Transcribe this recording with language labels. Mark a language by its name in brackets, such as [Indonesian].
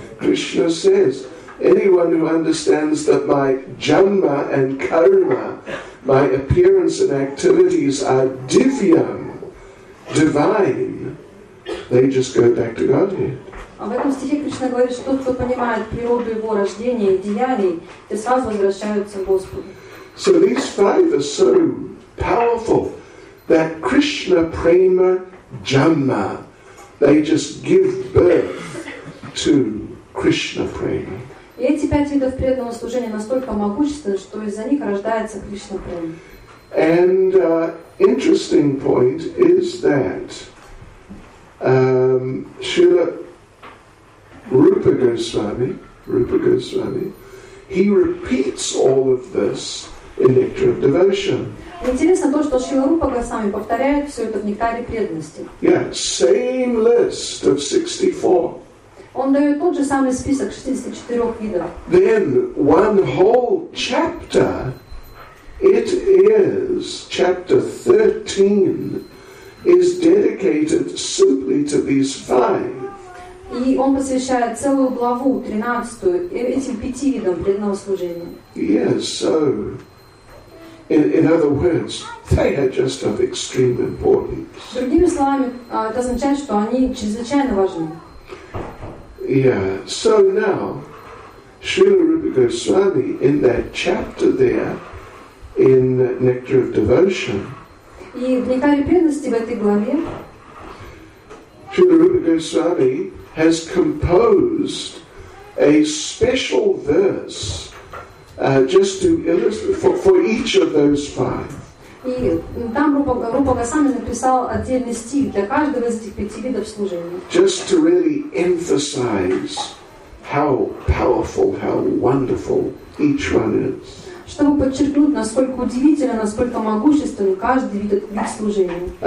[English] Krishna says, anyone who understands that my Janma and Karma, my appearance and activities are divyam, divine, they just go back to Godhead. [Russian] А в этом стихе Кришна говорит, что тот, кто понимает природу его рождения и деяний, те сразу возвращаются к Господу. [English] So these five are so powerful that Krishna prema janma, they just give birth to Krishna prema. [Russian] И эти пять видов преданного служения настолько могущественны, что из-за них рождается Кришна према. [English] And interesting point is that Srila Rupa Goswami, he repeats all of this in Nectar of Devotion. [Russian] Интересно то, что Шрила Рупа Госвами повторяет все это в Нектаре Преданности. [English] Yeah, same list of 64. [Russian] Он дает тот же самый список 64 видов. [English] Then one whole chapter, it is chapter 13, is dedicated simply to these five. [Russian] И он посвящает целую главу, 13-ю, этим пяти видам преданного служения. [English] Yes, so, in other words, they are just of extreme importance. [Russian] Другими словами, это означает, что они чрезвычайно важны. [English] Yeah, so now, Srila Rupa Goswami, in that chapter there, in Nectar of Devotion, [Russian] и в Нектаре преданности в этой главе, [English] Srila Rupa Goswami has composed a special verse just to illustrate for each of those five. [Russian] И там Рупа Госвами написал отдельный стих для каждого из этих пяти видов служения. [English] Just to really emphasize how powerful, how wonderful each one is. [Russian] Чтобы подчеркнуть, насколько удивительно, насколько могущественен каждый вид служения.